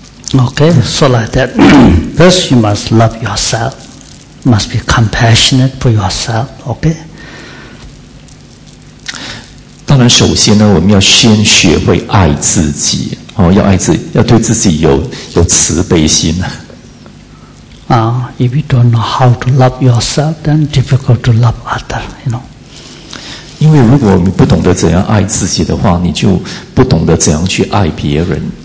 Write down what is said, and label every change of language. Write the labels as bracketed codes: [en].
[en] Okay, so like that. First, you must love yourself. Must be compassionate for yourself, okay? [zh] 当然首先呢，我们要先学会爱自己，哦，要爱自己，要对自己有慈悲心。 [en] If you don't know how to love yourself, then difficult to love other, you know? [zh] 因为如果你不懂得怎样爱自己的话，你就不懂得怎样去爱别人。